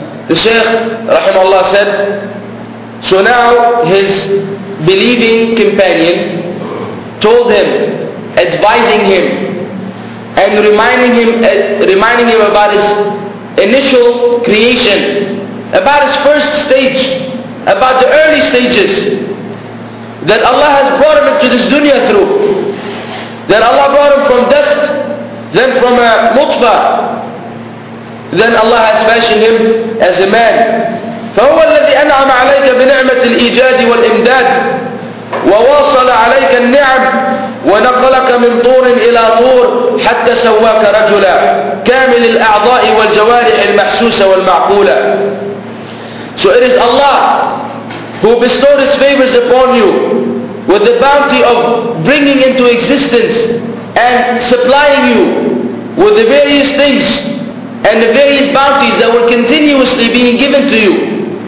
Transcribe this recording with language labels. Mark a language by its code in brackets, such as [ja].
[ar] الشيخ رحمه الله [en] said, so now his believing companion told him, advising him and reminding him about his initial creation, about his first stage, about the early stages that Allah has brought him into this dunya through, that Allah brought him from dust, then from a mutfa, then Allah has fashioned him as a man. [ar] فهو الذي أنعم عليك بنعمة الإيجاد والإمداد وواصل عليك النعم ونقلك من طور إلى طور حتى سواك رجلا كامل الأعضاء والجوارح المحسوسة والمعقولة. [en] So it is Allah who bestowed His favors upon you with the bounty of bringing into existence and supplying you with the various things and the various bounties that were continuously being given to you.